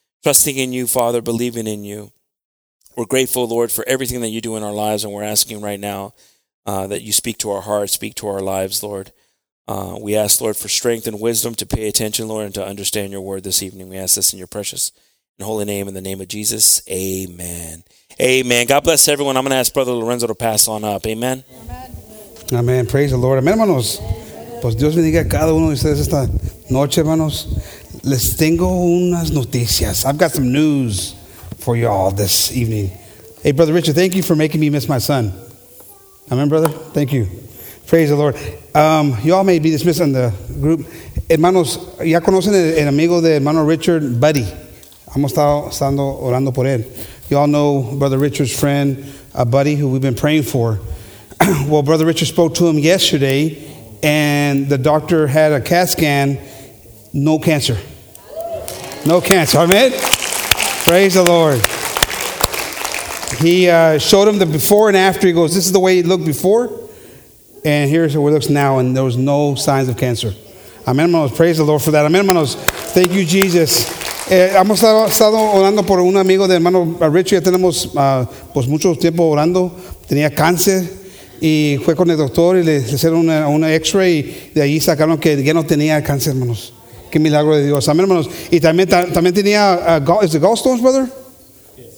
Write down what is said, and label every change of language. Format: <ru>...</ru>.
<en>Trusting in you, Father, believing in you. We're grateful, Lord, for everything that you do in our lives, and we're asking right now that you speak to our hearts, speak to our lives, Lord. We ask, Lord, for strength and wisdom to pay attention, Lord, and to understand your word this evening. We ask this in your precious and holy name, in the name of Jesus. Amen. Amen. God bless everyone. I'm going to ask Brother Lorenzo to pass on up. Amen. Amen. Praise the Lord. Amen, hermanos.</en> <es>Pues Dios bendiga a cada uno de ustedes esta noche, hermanos. Les tengo unas noticias.</es> <en>I've got some news for y'all this evening. Hey, Brother Richard, thank you for making me miss my son. Amen, brother. Thank you. Praise the Lord. Y'all may be dismissed in the group.</en> <es>Hermanos, ya conocen el amigo de hermano Richard, Buddy. Hemos estado orando por él.</es> <en>Y'all know Brother Richard's friend, Buddy, who we've been praying for. Well, Brother Richard spoke to him yesterday, and the doctor had a CAT scan. No cancer. No cancer. Amen. Praise the Lord. He showed him the before and after. He goes, this is the way it looked before, and here's how it looks now, and there was no signs of cancer. Amen, hermanos. Praise the Lord for that. Amen, hermanos. Thank you, Jesus.</en> <es>Hemos estado orando por un amigo de hermano Richard. Ya tenemos pues mucho tiempo orando. Tenía cáncer. Y fue con el doctor y le hicieron una x-ray. Y de ahí sacaron que ya no tenía cáncer, hermanos. Qué milagro de Dios. Amén, hermanos. Y también tenía, ¿es de gallstones, brother? Yes.</es>